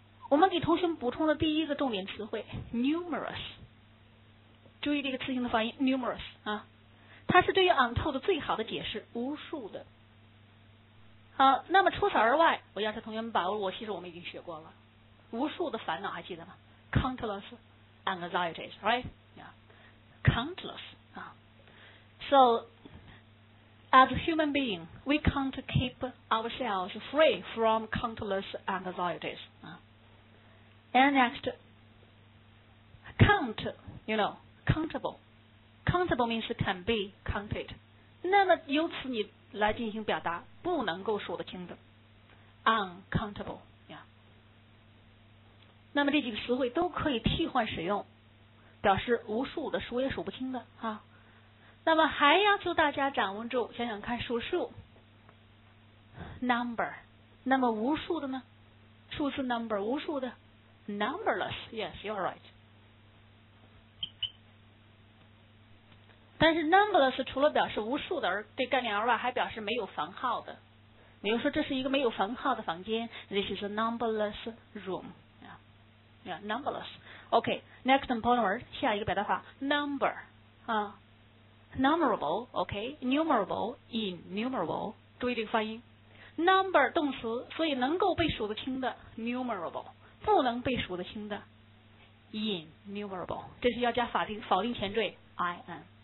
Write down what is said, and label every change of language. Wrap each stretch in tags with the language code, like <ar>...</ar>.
<zh>我们给同学们补充的第一个重点词汇 numerous, 注意这个词性的发音 numerous, 啊，它是对于 untold 最好的解释，无数的。好，那么除此而外，我要求同学们把握，我其实我们已经学过了，无数的烦恼还记得吗？</zh> <en>Countless anxieties, right? Yeah, countless. So, as a human being, we can't keep ourselves free from countless anxieties. And next, count, you know, countable. Countable means can be counted.</en> <zh>那么由此你来进行表达，不能够数得清的 uncountable. 那么这几个词汇都可以替换使用，表示无数的，数也数不清的啊。那么还要求大家掌握住，想想看数数 number， 那么无数的呢？数字 number， 无数的 numberless，</zh> <en>yes you're right。</en> <zh>但是 numberless 除了表示无数的这概念而外，还表示没有番号的，比如说这是一个没有番号的房间，</zh> <en>this is a numberless roomYeah, numberless. Okay, next important word,</en> <zh>下一个表达法 number, numerable, okay, numerable, innumerable, 注意这个发音 number 动词，所以能够被数得清的 numerable, 不能被数得清的 innumerable, 这是要加否定前缀 in.</zh>